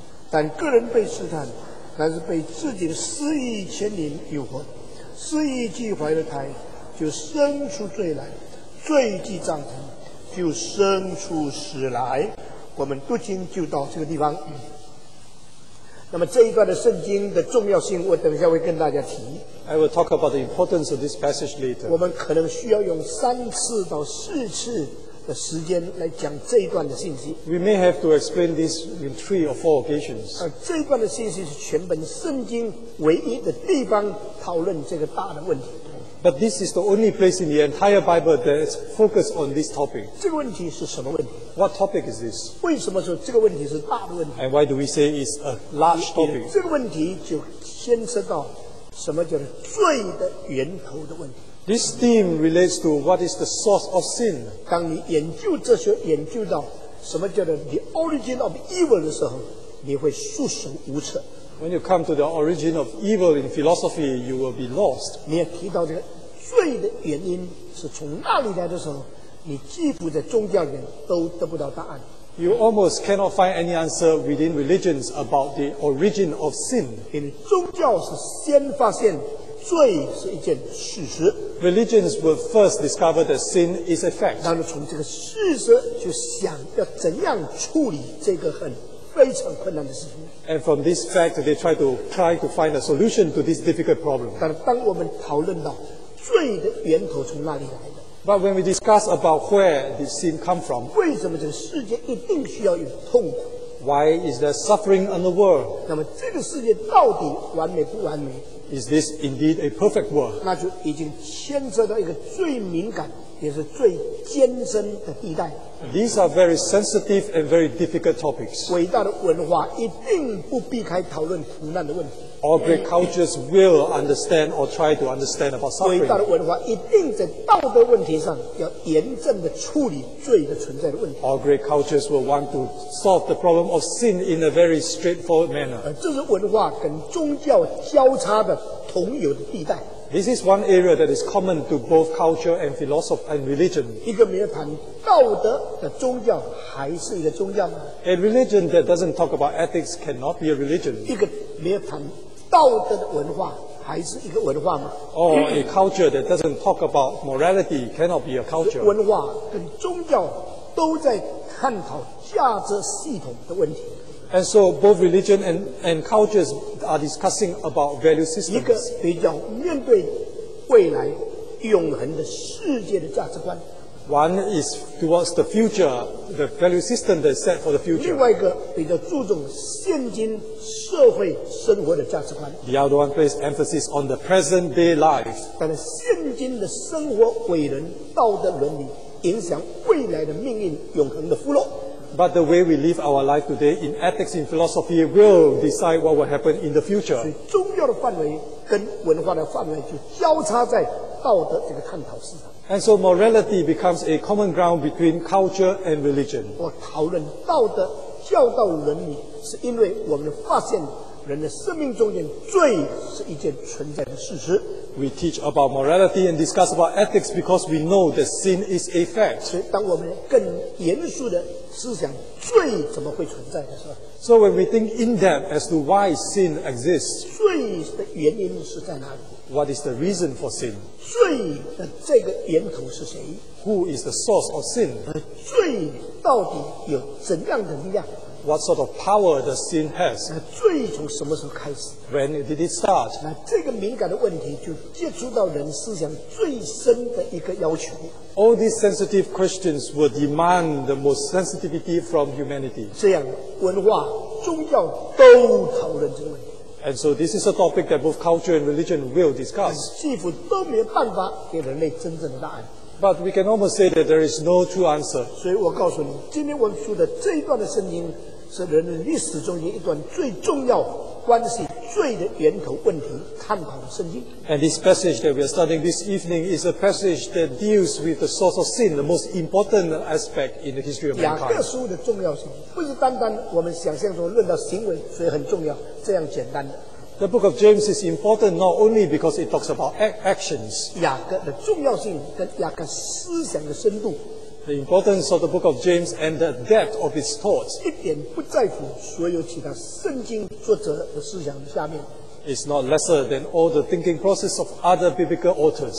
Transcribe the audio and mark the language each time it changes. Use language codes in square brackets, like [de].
[zh] 但个人被试探，乃是被自己的私欲牵引诱惑，私欲既怀了胎，就生出罪来，罪既长成，就生出死来。我们读经就到这个地方。那么这一段的圣经的重要性，我等一下会跟大家提。 [en] I will talk about the importance of this passage later. [zh] 我们可能需要用三次到四次的时间来讲这一段的信息。 [en] We may have to explain this in three or four occasions. [zh] 而这一段的信息是全本圣经唯一的地方讨论这个大的问题。 [en] But this is the only place in the entire Bible that is focused on this topic. [zh] 这个问题是什么问题？ [en] What topic is this? [zh] 为什么说这个问题是大的问题？ [en] And why do we say it's a large topic? [zh] 这个问题就牵涉到什么叫做罪的源头的问题。 [en] This theme relates to what is the source of sin. [zh] 当你研究这些，研究到什么叫做 [en] the origin of evil [zh] 的时候，你会束手无策。 [en] When you come to the origin of evil in philosophy, you will be lost. [zh] 你也提到这个罪的原因是从哪里来的时候，你几乎在宗教里都得不到答案。 [en] You almost cannot find any answer within religions about the origin of sin. [zh] 因为宗教是先发现罪是一件事实。 [en] Religions will first discover that sin is a fact. [zh] 然后从这个事实就想要怎样处理这个很非常困难的事情。 [en] And from this fact, they try to find a solution to this difficult problem. [zh] 但当我们讨论到罪的源头从哪里来的 [en] ？But when we discuss about where this sin come from, [zh] 为什么这个世界一定需要有痛苦 [en] ？Why is there suffering in the world? [zh] 那么这个世界到底完美不完美 [en] ？Is this indeed a perfect world? [zh] 那就已经牵涉到一个最敏感，也是最艰深的地带。 [en] These are very sensitive and very difficult topics. [zh] 伟大的文化一定不避开讨论苦难的问题。 [en] All great cultures will understand or try to understand about suffering. [zh] 伟大的文化一定在道德问题上要严正地处理罪的存在的问题。 [en] All great cultures will want to solve the problem of sin in a very straightforward manner. [zh] 这是文化跟宗教交叉的同有的地带。 [en] This is one area that is common to both culture and philosophy and religion. [zh] 一个没有谈道德的宗教还是一个宗教吗？ [en] A religion that doesn't talk about ethics cannot be a religion. [zh] 一个没有谈道德的文化还是一个文化吗？ [en] Or a culture that doesn't talk about morality cannot be a culture. [zh] 文化跟宗教都在探讨价值系统的问题。 [en] And so both religion and cultures are discussing about value systems. [zh] 一个比较面对未来永恒的世界的价值观。 [en] One is towards the future, the value system that is set for the future. [zh] 另外一个比较注重现今社会生活的价值观。 [en] The other one places emphasis on the present day life. [zh] 但是现今的生活为人道德伦理影响未来的命运永恒的福乐。 [en] But the way we live our life today in ethics and philosophy will decide what will happen in the future. [zh] 所以宗教的范围跟文化的范围就交叉在道德这个探讨市场。 [en] And so morality becomes a common ground between culture and religion. [zh] 我讨论道德教导伦理是因为我们发现人的生命中间罪是一件存在的事实。 [en] We teach about morality and discuss about ethics because we know that sin is a fact. [zh] 所以当我们更严肃的思想罪怎么会存在的时候， [en] So when we think in depth as to why sin exists, [zh] 罪的原因是在哪里？ [en] What is the reason for sin? [zh] 罪的这个源头是谁？ [en] Who is the source of sin? [zh] 罪到底有怎样的力量？ [en] What sort of power does sin has? [zh] 那罪从什么时候开始？ [en] When did it start? [zh] 那这个敏感的问题就接触到人思想最深的一个要求。 [en] All these sensitive questions will demand the most sensitivity from humanity. [zh] 这样，文化宗教都讨论这个问题。 [en] And so this is a topic that both culture and religion will discuss. [zh] 几乎都没有办法给人类真正的答案。 [en] But we can almost say that there is no true answer. [zh] 所以我告诉你，今天我们说的这一段的圣经，是人类历史中一段最重要关系罪的源头问题探讨的圣经。 [en] And this passage that we are studying this evening is a passage that deals with the source of sin, the most important aspect in the history of mankind. [zh] 雅各书的重要性不是单单我们想象中论到行为所以很重要这样简单的。 [en] The book of James is important not only because it talks about actions. [zh] 雅各的重要性跟雅各思想的深度。 [en] The importance of the book of James and the depth of its thoughts. [zh] 一点不在乎所有其他圣经作者的思想下面。 [en] It's not lesser than all the thinking process of other biblical authors.